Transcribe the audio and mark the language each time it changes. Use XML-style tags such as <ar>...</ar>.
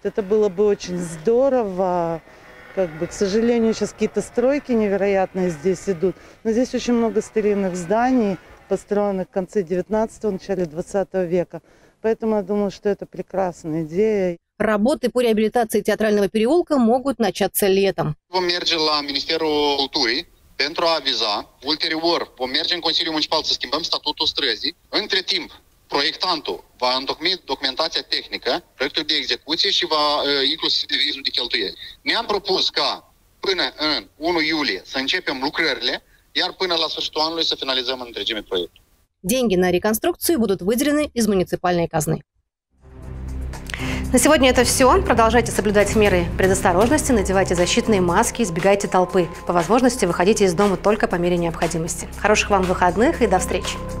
<ru>Это было бы очень здорово. Как бы, к сожалению, сейчас какие-то стройки невероятные здесь идут. Но здесь очень много старинных зданий, построенных в конце 19-го, начале 20 века. Поэтому я думаю, что это прекрасная идея. Работы по реабилитации театрального переулка могут начаться летом.</ru> <ro>Vom merge la Ministerul Culturii pentru a aviza. Ulterior, vom merge în Consiliul Municipal să schimbăm statutul străzii. Între timp, proiectantul va întocmi documentația tehnică, proiectul de execuție și va inclusiv devizul de cheltuieli. Ne-am propus ca până în 1 iulie să începem lucrările, iar până la sfârșitul anului să finalizăm în întregime proiectul.</ro> <ru>Деньги на реконструкцию будут выделены из муниципальной казны. На сегодня это все. Продолжайте соблюдать меры предосторожности, надевайте защитные маски, избегайте толпы. По возможности выходите из дома только по мере необходимости. Хороших вам выходных и до встречи!</ru>